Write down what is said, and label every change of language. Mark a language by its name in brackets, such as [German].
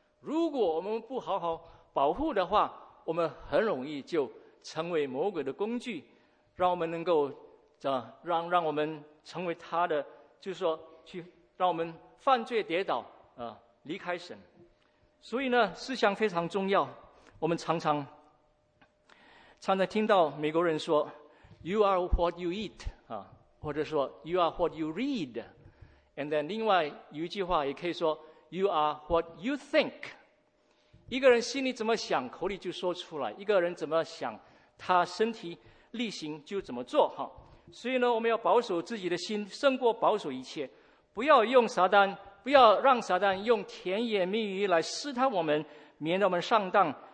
[Chinese] 如果我们不好好保护的话，我们很容易就成为魔鬼的工具，让我们能够让我们成为他的，就是说去让我们犯罪跌倒离开神。所以呢，思想非常重要。我们常常听到美国人说 [English] You are what you eat [Chinese] 或者说 [English] You are what you read， and then [Chinese] 另外有一句话也可以说 [English] You are what you think。 [Chinese] 一个人心里怎么想，口里就说出来，一个人怎么想，他身体力行就怎么做。所以呢，我们要保守自己的心胜过保守一切，不要让撒旦用甜言蜜语来试探我们，免得我们上当。